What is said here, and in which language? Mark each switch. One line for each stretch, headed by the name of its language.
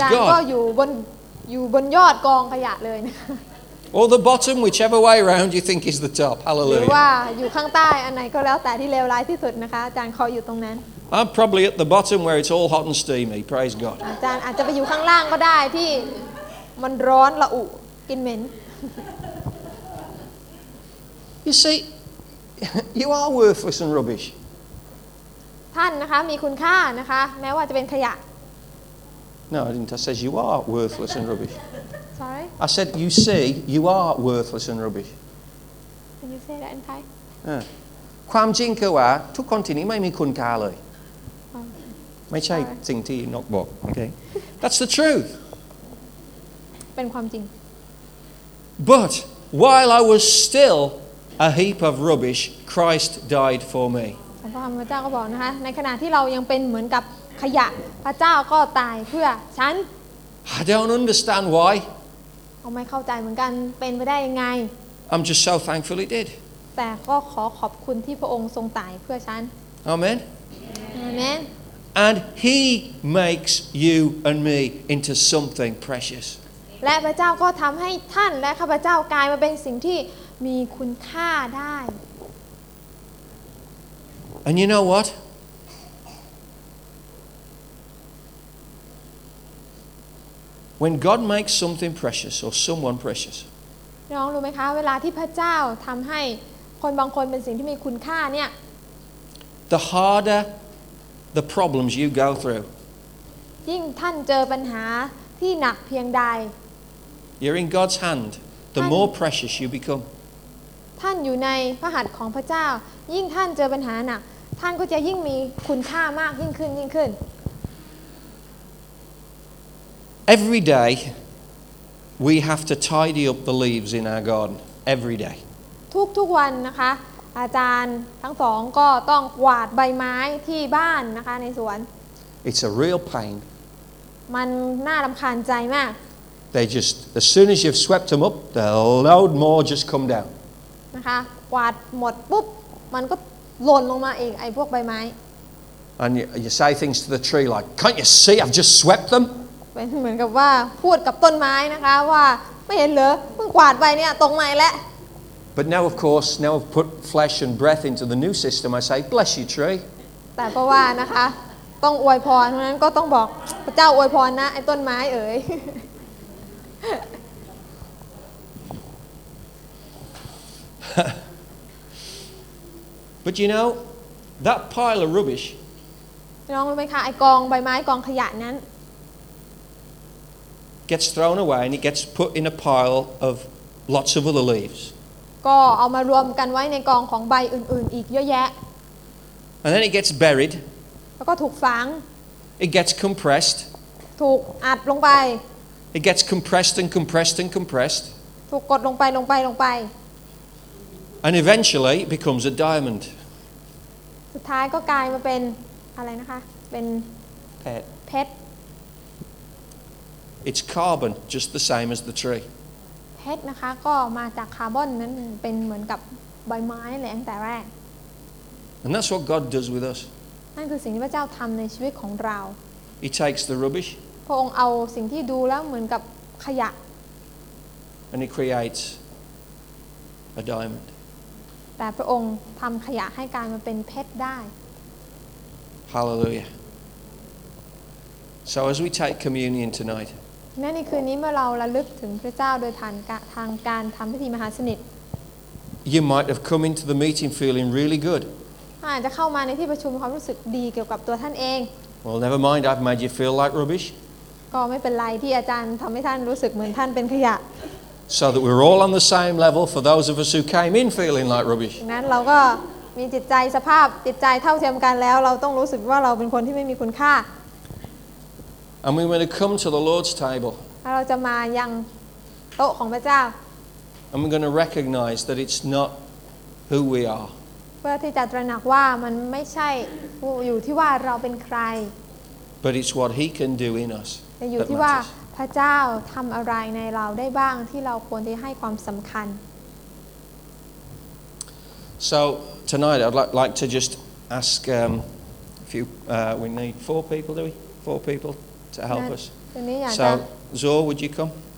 Thai: อาจารย์ก็อยู่บนยอดกองขยะเลยนะ
English: Or the bottom, whichever way around you think is the top. Hallelujah.
Thai: หรือว่าอยู่ข้างใต้อันไหนก็แล้วแต่ที่เลวร้ายที่สุดนะคะอาจารย์ขออยู่ตรงนั้น
English: I'm probably at the bottom where it's all hot and steamy. Praise God.
Thai: อาจารย์อาจจะไปอยู่ข้างล่างก็ได้ที่มันร้อนระอุกินเหม็น
English: You see, you are worthless and rubbish.
Thai: ท่านนะคะมีคุณค่านะคะแม้ว่าจะเป็นขยะ
English: No, I didn't. I said you are worthless and rubbish. Sorry? I said, you see, you are worthless and rubbish. Can you say that in Thai?
Thai: ความจริงคือว่าทุกคนที่นี่ไม่มีคุณค่าเลยไม่ใช่สิ่งที่นกบอก okay?
English: That's the truth.
Thai: เป็นความจริง
English: But while I was still a heap of rubbish, Christ died for me.
Thai: พระเจ้าก็บอกนะคะในขณะที่เรายังเป็นเหมือนกับขยะพระเจ้าก็ตายเพื่อฉัน
English: I don't understand why.
Thai: ผมไม่เข้าใจเหมือนกันเป็นไปได้ยังไง
English: I'm just so thankful he did
Thai: แต่ก็ขอขอบคุณที่พระองค์ทรงตายเพื่อฉัน
English: Amen Amen And he makes you and me into something precious
Thai: และพระเจ้าก็ทำให้ท่านและข้าพเจ้ากลายมาเป็นสิ่งที่มีคุณค่าได้
English: And you know what When God makes something precious or someone precious,
Thai: น้องรู้ไหมคะเวลาที่พระเจ้าทำให้คนบางคนเป็นสิ่งที่มีคุณค่าเนี่ย
English: The harder the problems you go through,
Thai: ยิ่งท่านเจอปัญหาที่หนักเพียงใด
English: You're in God's hand. The more precious you become,
Thai: ท่านอยู่ในพระหัตถ์ของพระเจ้ายิ่งท่านเจอปัญหาหนักท่านก็จะยิ่งมีคุณค่ามากยิ่งขึ้นยิ่งขึ้น
English: Every day, we have to tidy up the leaves in our garden. Every day.
Thai: ทุกวันนะคะอาจารย์ทั้งสองก็ต้องกวาดใบไม้ที่บ้านนะคะในสวน
English: It's a real pain.
Thai: มันน่ารำคาญใจมาก
English: They just as soon as you've swept them up, the load more just come down.
Thai: นะคะกวาดหมดปุ๊บมันก็หล่นลงมาเองไอ้พวกใบไม้
English: And you say things to the tree like, "Can't you see? I've just swept them."
Thai: เป็นเหมือนกับว่าพูดกับต้นไม้นะคะว่าไม่เห็นเหรอเพิ่งกวาดไปเนี่ยตรงใหม่แล้ว
English: But now of course now I've put flesh and breath into the new system I say bless you tree
Thai: แต่เพราะว่านะคะต้องอวยพรเพราะนั้นก็ต้องบอกพระเจ้าอวยพรนะไอ้ต้นไม้เอ๋ย
English: But you know that pile of rubbish
Thai: น้องรู้ไหมคะไอ้กองใบไม้กองขยะนั้น
English: gets thrown away and it gets put in a pile of lots of other leaves
Thai: ก็เอามารวมกันไว้ในกองของใบอื่นๆอีกเยอะแยะ
English: And then it gets buried.
Thai: แล้วก็ถูกฝัง
English: It gets compressed.
Thai: ถูกอัดลงไป
English: It gets compressed and compressed and compressed.
Thai: ถูกกดลงไปลงไปลงไป
English: And eventually it becomes a diamond.
Thai: สุดท้ายก็กลายมาเป็นอะไรนะคะเป็น เพชร เพชร
English: It's carbon, just the same as the tree.
Thai: เพชรนะคะก็มาจากคาร์บอนนั้นเป็นเหมือนกับใบไม้แหละตั้งแต่แรก
English: And that's what God does with us.
Thai: นั่นคือสิ่งที่พระเจ้าทำในชีวิตของเรา
English: He takes the rubbish.
Thai: พระองค์เอาสิ่งที่ดูแล้วเหมือนกับขยะ
English: And he creates a diamond.
Thai: แต่พระองค์ทำขยะให้กลายมาเป็นเพชรได้
English: Hallelujah. So as we take communion tonight,
Thai: นั่นในคืนนี้เมื่อเราระลึกถึงพระเจ้าโดยทางการทำพิธีมหาสนิท
English: you might have come into the meeting feeling really good.
Thai: อาจจะเข้ามาในที่ประชุมความรู้สึกดีเกี่ยวกับตัวท่านเอง
English: Well, never mind. I've made you feel like rubbish.
Thai: ก็ไม่เป็นไรที่อาจารย์ทำให้ท่านรู้สึกเหมือนท่านเป็นขยะ
English: So that we're all on the same level for those of us who came in feeling like rubbish.
Thai: นั้นเราก็มีจิตใจสภาพจิตใจเท่าเทียมกันแล้วเราต้องรู้สึกว่าเราเป็นคนที่ไม่มีคุณค่า
English: And we want to come to the Lord's table.
Thai: เราจะมายังโต๊ะของพระเจ้า
English: And we're going to recognize that it's not who we are.
Thai: เพื่อที่จะตระหนักว่ามันไม่ใช่อยู่ที่ว่าเราเป็นใคร
English: But it's what he can do in us.
Thai: แต่อยู่ที่ว่าพระเจ้าทําอะไรในเราได้บ้างที่เราควรที่ให้ความสําคัญ
English: SoTonight, I'd like to just ask if you, we need four people, do we? Four people to help us. So, Zor, would you come?